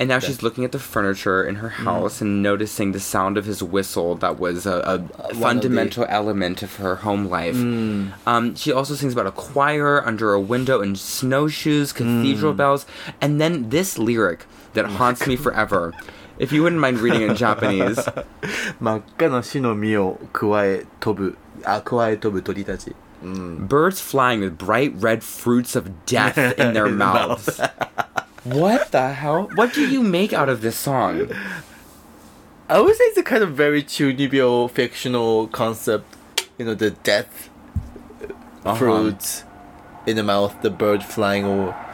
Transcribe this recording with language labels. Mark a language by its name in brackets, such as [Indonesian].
[English] And now she's looking at the furniture in her house and noticing the sound of his whistle that was a fundamental element of her home life. Mm. She also sings about a choir under a window in snowshoes, cathedral bells, and then this lyric that haunts me forever. If you wouldn't mind reading in Japanese. [Japanese] 真っ赤な死の実を加え飛ぶ鳥たち。 [English] Birds flying with bright red fruits of death in their mouths. What the hell? What do you make out of this song? I would say it's a kind of very chunibyo fictional concept. You know, the death fruits in the mouth, the bird flying around.